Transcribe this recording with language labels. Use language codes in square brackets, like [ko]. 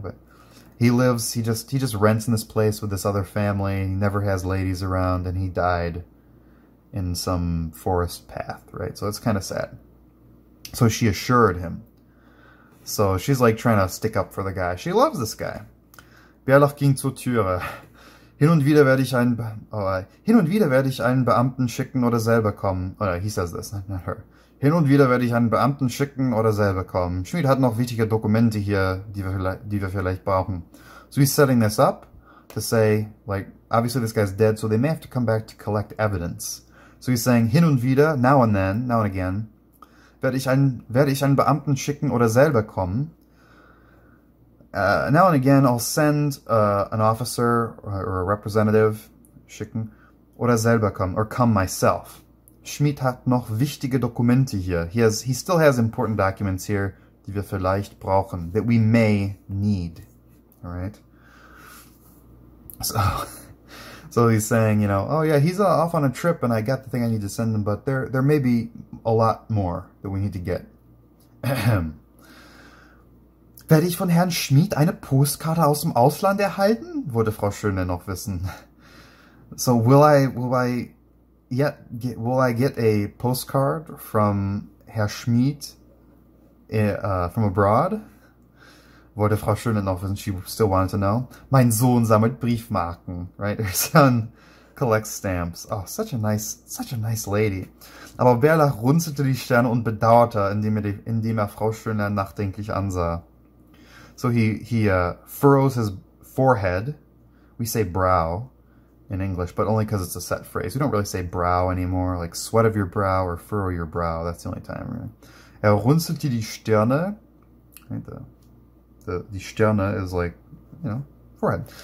[en] But he just rents in this place with this other family. He never has ladies around, and he died in some forest path, right? So it's kind of sad. So she assured him. So she's like trying to stick up for the guy. She loves this guy. [de] Bialach ging zur Türe. Hin und wieder werde ich einen Beamten schicken oder selber kommen. Oder [en] he says this, not her. [de] Hin und wieder werde ich einen Beamten schicken oder selber kommen. Schmidt hat noch wichtige Dokumente hier, die wir vielleicht brauchen. [en] So he's setting this up to say, like, obviously this guy's dead, so they may have to come back to collect evidence. So he's saying, hin und wieder, now and then, now and again, [de] werde ich einen Beamten schicken oder selber kommen. [en] Now and again, I'll send an officer or a representative, schicken, [de] oder selber kommen, [en] or come myself. [de] Schmidt hat noch wichtige Dokumente hier. [en] He still has important documents here, [de] die wir vielleicht brauchen, [en] that we may need. All right? So he's saying, you know, oh yeah, he's off on a trip and I got the thing I need to send him, but there may be a lot more that we need to get. [de] Werde ich von Herrn Schmidt eine Postkarte aus dem Ausland erhalten? Wollte Frau Schöne noch wissen. [en] So, will I get a postcard from Herr Schmied from abroad. [de] Wollte Frau Schöne noch wissen, [en] she still wanted to know. [de] Mein Sohn sammelt Briefmarken, right? [en] Her son collects stamps. Oh, such a nice lady. [de] Aber Werler runzelte die Stirn und bedauerte, indem er Frau Schöne nachdenklich ansah. [en] So he furrows his forehead. We say brow in English, but only because it's a set phrase. We don't really say brow anymore, like sweat of your brow or furrow your brow. That's the only time, right? [de] Er runzelte die Stirne. [en] Right, the Stirne is like, you know, forehead.